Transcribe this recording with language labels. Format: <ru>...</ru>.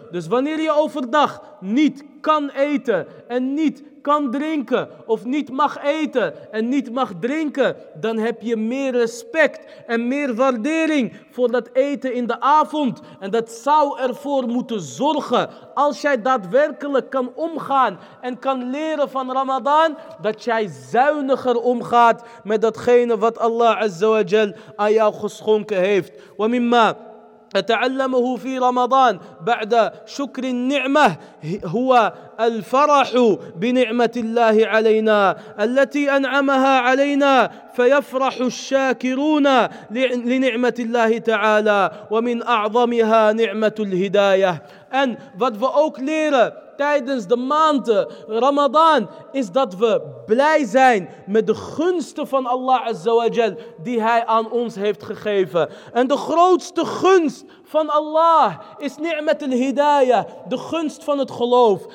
<nl>Dus wanneer je overdag niet kan eten en niet kan drinken of niet mag eten en niet mag drinken, dan heb je meer respect en meer waardering voor dat eten in de avond. En dat zou ervoor moeten zorgen, als jij daadwerkelijk kan omgaan en kan leren van Ramadan, dat jij zuiniger omgaat met datgene wat Allah azza wa jal aan jou geschonken heeft.</nl> <ar>Wa mimma اتعلمه في رمضان بعد شكر النعمة هو الفرح بنعمة الله علينا التي أنعمها علينا فيفرح الشاكرون لنعمة الله تعالى ومن أعظمها نعمة الهداية.</ar> <nl>En wat we ook leren tijdens de maand Ramadan is dat we blij zijn met de gunsten van Allah azza wa jal die hij aan ons heeft gegeven. En de grootste gunst van Allah is ni'mat al-hidayah, de gunst van het geloof.</nl>